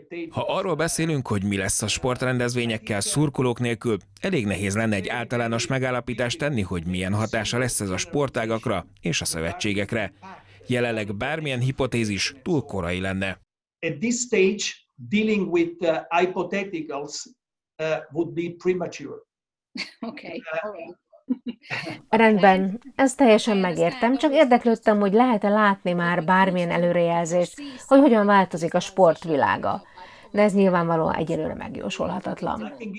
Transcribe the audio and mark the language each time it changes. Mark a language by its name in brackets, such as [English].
[Hungarian] Ha arról beszélünk, hogy mi lesz a sportrendezvényekkel szurkolók nélkül, elég nehéz lenne egy általános megállapítást tenni, hogy milyen hatása lesz ez a sportágakra és a szövetségekre. Jelenleg bármilyen hipotézis túl korai lenne. [English] At this stage, dealing with hypotheticals would be premature. Okay. [Hungarian] Rendben, ezt teljesen megértem, csak érdeklődtem, hogy lehet-e látni már bármilyen előrejelzést, hogy hogyan változik a sportvilága. De ez nyilvánvalóan egyelőre megjósolhatatlan.